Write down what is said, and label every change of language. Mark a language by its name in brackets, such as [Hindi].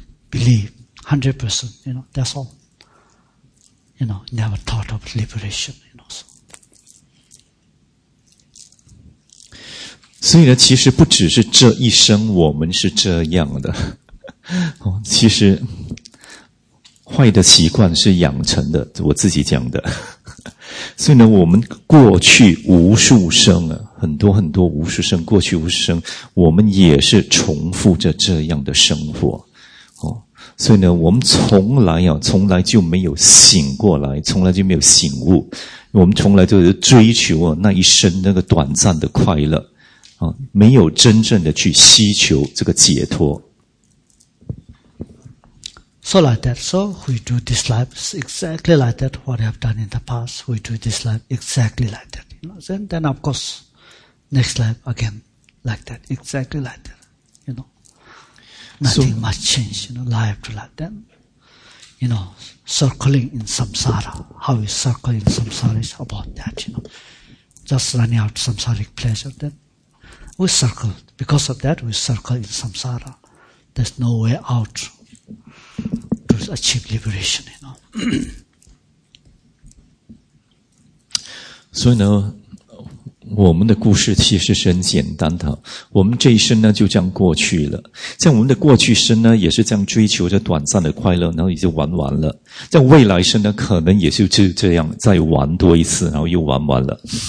[English] Believe, 100%, you know, that's all. You know, never thought of liberation, you know, so. [Chinese] 所以呢，其实不只是这一生我们是这样的，其实坏的习惯是养成的，我自己讲的。所以呢，我们过去无数生啊，很多很多无数生，过去无数生，我们也是重复着这样的生活。所以呢，我们从来就没有醒过来，从来就没有醒悟，我们从来就是追求啊那一生那个短暂的快乐。没有真正的去希求这个解脱。 [English] So like that, so we do this life exactly like that, what I have done in the past, we do this life exactly like that. You know? Then of course, next life again, like that, exactly like that, you know. Nothing much change, you know, life to life. Then, you know, circling in samsara, how we circle in samsara is about that, you know. Just running out samsaric pleasure, then,We circle. Because of that, we circle in samsara. There's no way out to achieve liberation, you know. [Chinese] 所以呢，我们的故事其实是很简单的。我们这一生呢，就这样过去了。像我们的过去生呢，也是这样追求着短暂的快乐，然后也就玩完了。像未来生呢，可能也就是这样再玩多一次，然后又玩完了。